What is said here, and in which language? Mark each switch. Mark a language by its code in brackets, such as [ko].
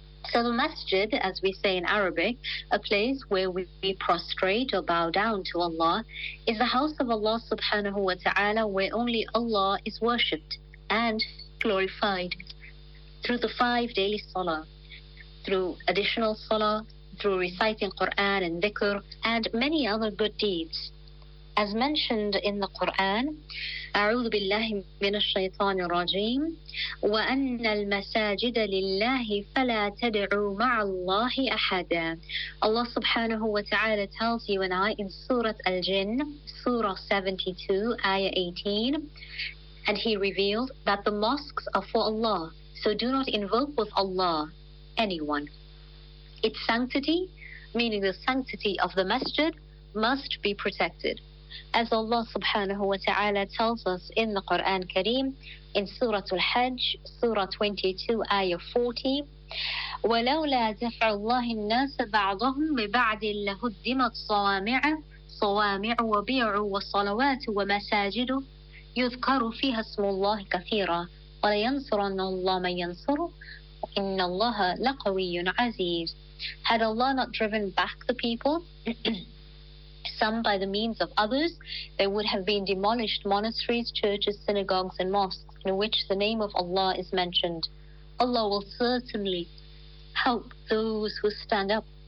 [en] So the masjid, as we say in Arabic, a place where we prostrate or bow down to Allah, is the house of Allah subhanahu wa ta'ala, where only Allah is worshipped and glorified through the five daily salah, through additional salah, through reciting Quran and dhikr, and many other good deeds. As mentioned in the Quran, [ar] أعوذ بالله من الشيطان الرجيم وأن المساجد لله فلا تدعوا مع الله أحدا. [en] Allah subhanahu wa ta'ala tells you and I in Surah Al-Jinn, Surah 72, Ayah 18, and he revealed that the mosques are for Allah, so do not invoke with Allah anyone. Its sanctity, meaning the sanctity of the masjid, must be protected. As Allah subhanahu wa ta'ala tells us in the Quran Kareem, in Surah Al-Hajj, Surah 22, Ayah 40, [ar] وَلَوْلَا دَفْعُ اللَّهِ النَّاسَ بَعْضَهُمْ بِبَعْدٍ لَهُدِّمَتْ صَوَامِعُ وَبِيعُ وَصَلَوَاتُ وَمَسَاجِدُ يُذْكَرُ فِيهَا اسْمُ اللَّهِ كَثِيرًا وَلَيَنْصُرَنَّ اللَّهَ مَنْ يَنْصُرُ إِنَّ اللَّهَ لَقَوِيٌّ عَزِيزٌ. [en] Had Allah not driven back the people, some by the means of others, there would have been demolished monasteries, churches, synagogues, and mosques in which the name of Allah is mentioned. Allah will certainly help those who stand up.